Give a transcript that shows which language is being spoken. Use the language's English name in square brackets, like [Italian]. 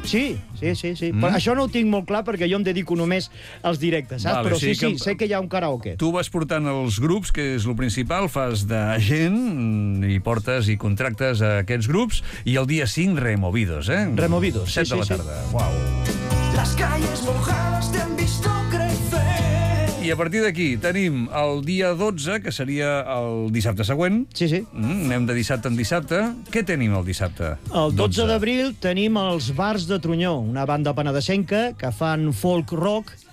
[Catalan] Sí, sí, sí. Sí. Mm. Però això no ho tinc molt clar perquè jo em dedico només als directes, saps? Vale, però sí, sí, que... sé que hi ha un karaoke. Tu vas portant els grups, que és el principal, fas d'agent i portes i contractes a aquests grups, i el dia 5, Removidos, eh? Removidos, 7 sí, de la sí, tarda. Sí. Uau. [Spanish] Las calles mojadas te han visto crecer. [Catalan] I a partir d'aquí tenim el dia 12, que seria el dissabte següent. Sí, sí. Anem de dissabte en dissabte. Què tenim el dissabte? El 12 d'abril tenim els Bars de Trunyó, una banda penedesenca que fan folk rock.